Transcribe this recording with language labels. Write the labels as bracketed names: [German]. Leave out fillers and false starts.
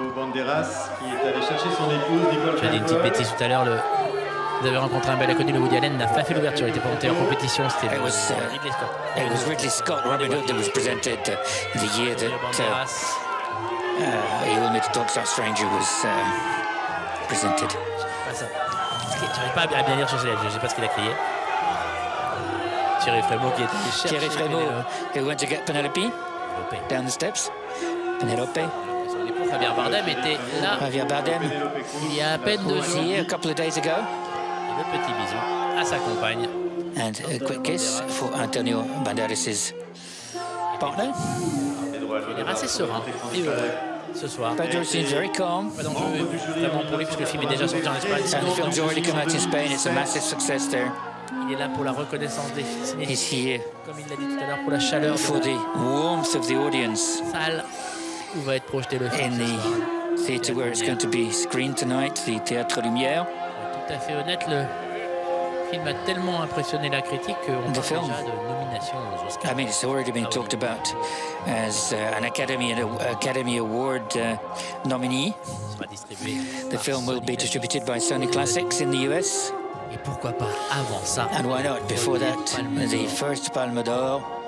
[French] J'ai dit une petite bêtise tout à l'heure. Vous avez rencontré un bel inconnu, le Woody Allen n'a pas fait l'ouverture, il était présenté en compétition. C'était Ridley Scott. [English] It was Ridley Scott, Robin Hood, that was presented the year that Evil Meet a Tall Dark Stranger was presented. [French] J'arrive pas à bien lire sur ses lèvres, je sais pas ce qu'il a crié. Thierry Frémaux qui était cherché. [English] Thierry Frémaux, who went to get Penelope down the steps. [French] Penelope. Javier Bardem était là. Javier Bardem. Il y a à peine deux jours. [English] A couple of days ago. [French] Un petit bisou à sa compagne. [English] And a quick kiss for Antonio Banderas' partner. [French] Il est assez serein. Ce soir. [English] Pedro seems very calm. [French] Vraiment pour lui parce que le film est déjà sorti en Espagne. [English] And the film's already come out in Spain. It's a massive success there. [French] Il est là pour la reconnaissance des cinéphiles. [English] He's here. [French] Comme il l'a dit tout à l'heure, pour la chaleur. [English] For the warmth of the audience. [French] Salle. Où va être projeté le film. [English] In the theater where it's going to be screened tonight, the Théâtre Lumière. [French] Tout à fait honnête, le film a tellement impressionné la critique qu'on a déjà de nominations aux Oscars. [English] I mean, it's already been talked about as an Academy Award nominee. [French] Sera distribué. [English] The film will be distributed by Sony Classics in the US. [French] Et pourquoi pas avant ça? [English] And why not before that, the first Palme d'Or